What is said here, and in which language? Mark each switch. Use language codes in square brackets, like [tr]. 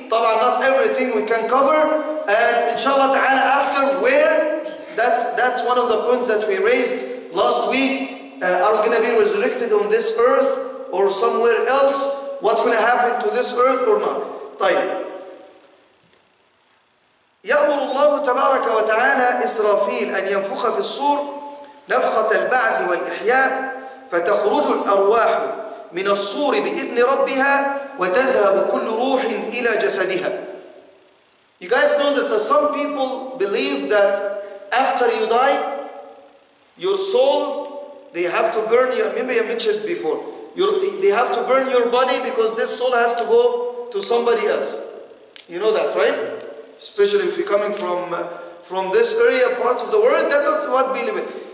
[en] طبعاً not everything we can cover, and inshallah ta'ala after where, that's one of the points that we raised last week, are we going to be resurrected on this earth or somewhere else? What's going to happen to this earth or not? [ar] طيب. يأمر الله تبارك وتعالى إسرافيل أن ينفخ في الصور نفخة البعث والإحياء فتخرج الأرواح من الصور بإذن ربها وتذهب كل روح إلى جسدها. [en] You guys know that some people believe that after you die, your soul, they have to burn your, maybe I mentioned before, they have to burn your body because this soul has to go to somebody else. You know that, right? Especially if you're coming from this area, part of the world, that's what believe it.